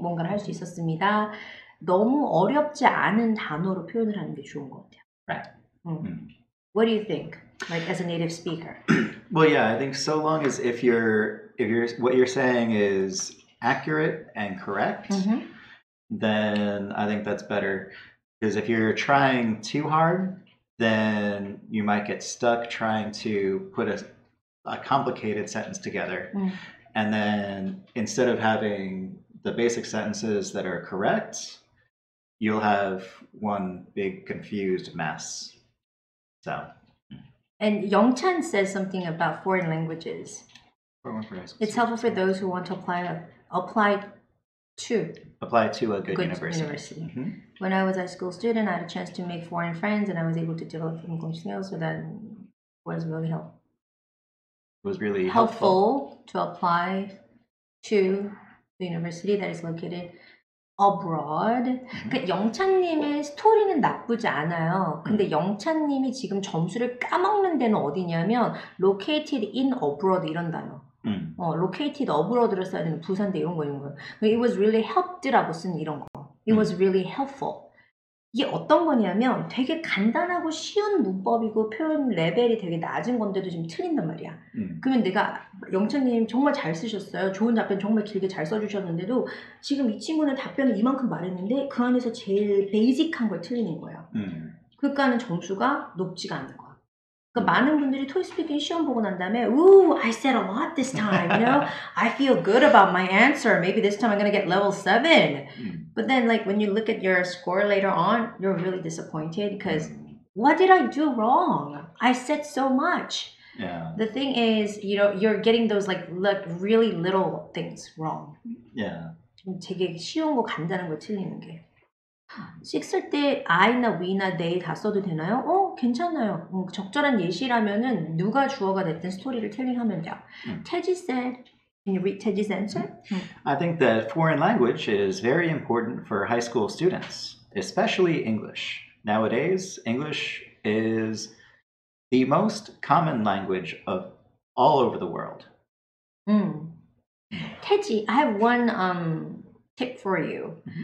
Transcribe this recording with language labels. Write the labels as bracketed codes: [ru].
[ko] 뭔가를 할 수 있었습니다. 너무 어렵지 않은 단어로 표현을 하는 게 좋은 것 같아요. [en] Right. What do you think? Like as a native speaker. Well, yeah. I think so long as if you're what you're saying is accurate and correct. Then I think that's better because if you're trying too hard, then you might get stuck trying to put a complicated sentence together. And then instead of having the basic sentences that are correct, you'll have one big confused mess. So. And Yongchan says something about foreign languages. It's helpful for those who want to apply to a good university. When I was a school student, I had a chance to make foreign friends, and I was able to develop English skills, so that was really helpful. It was really helpful to apply to the university that is located abroad. [ko] 영찬님의 스토리는 나쁘지 않아요. 근데 영찬님이 지금 점수를 까먹는 데는 어디냐면 [en] located in abroad [ko] 이런 단어. [en] Located abroad [ko] 로 써야 되는 부산대 이런 거 이런 거. [en] It was really helped [ko] 라고 쓴 이런 거. [en] It was really helpful. [ko] 이게 어떤 거냐면 되게 간단하고 쉬운 문법이고 표현 레벨이 되게 낮은 건데도 지금 틀린단 말이야. 그러면 내가 영찬님 정말 잘 쓰셨어요. 좋은 답변 정말 길게 잘 써주셨는데도 지금 이 친구는 답변을 이만큼 말했는데 그 안에서 제일 베이직한 걸 틀리는 거예요. 그러니까는 점수가 높지가 않는 거야. 그러니까 많은 분들이 토익스피킹 시험 보고 난 다음에 [en] Ooh, I said a lot this time, you know? I feel good about my answer. Maybe this time I'm gonna get level 7. But then like when you look at your score later on, you're really disappointed because what did I do wrong? I said so much. Yeah. The thing is, you know, you're getting those like really little things wrong. Yeah. [ko] 되게 쉬운 거 간단한 거 틀리는 게. 식쓸 때 I나 we나 they 다 써도 되나요? 어, 괜찮아요. 적절한 예시라면은 누가 주어가 됐든 스토리를 텔링하면 돼요. [en] Teji said, can you read Teji's answer? I think that foreign language is very important for high school students, especially English. Nowadays, English is the most common language of all over the world. Teji, I have one tip for you.